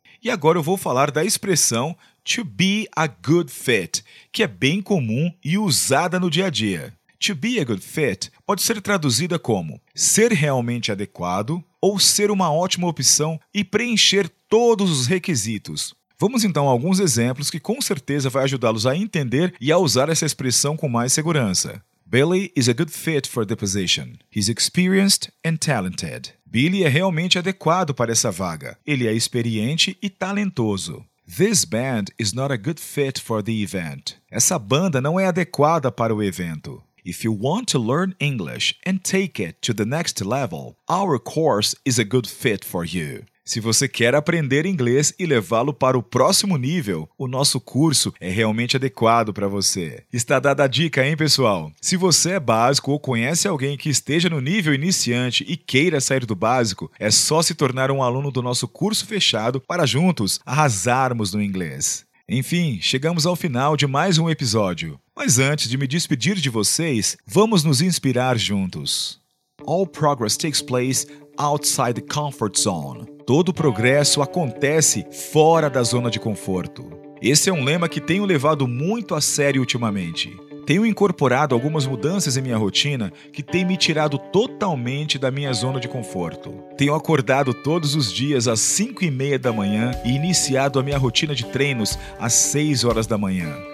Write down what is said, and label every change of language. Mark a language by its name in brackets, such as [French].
[Portuguese] E agora eu vou falar da expressão [English] to be a good fit, [Portuguese] que é bem comum e usada no dia a dia. [English] To be a good fit [Portuguese] pode ser traduzida como ser realmente adequado ou ser uma ótima opção e preencher todos os requisitos. Vamos então a alguns exemplos que com certeza vai ajudá-los a entender e a usar essa expressão com mais segurança. [English] Billy is a good fit for the position. He's experienced and talented. [Portuguese] Billy é realmente adequado para essa vaga. Ele é experiente e talentoso. [English] This band is not a good fit for the event. [Portuguese] Essa banda não é adequada para o evento. [English] If you want to learn English and take it to the next level, our course is a good fit for you. [Portuguese] Se você quer aprender inglês e levá-lo para o próximo nível, o nosso curso é realmente adequado para você. Está dada a dica, hein, pessoal? Se você é básico ou conhece alguém que esteja no nível iniciante e queira sair do básico, é só se tornar um aluno do nosso curso fechado para juntos arrasarmos no inglês. Enfim, chegamos ao final de mais um episódio. Mas antes de me despedir de vocês, vamos nos inspirar juntos. [English] All progress takes place outside the comfort zone. [Portuguese] Todo progresso acontece fora da zona de conforto. Esse é um lema que tenho levado muito a sério ultimamente. Tenho incorporado algumas mudanças em minha rotina que têm me tirado totalmente da minha zona de conforto. Tenho acordado todos os dias às 5h30 da manhã e iniciado a minha rotina de treinos às 6 horas da manhã.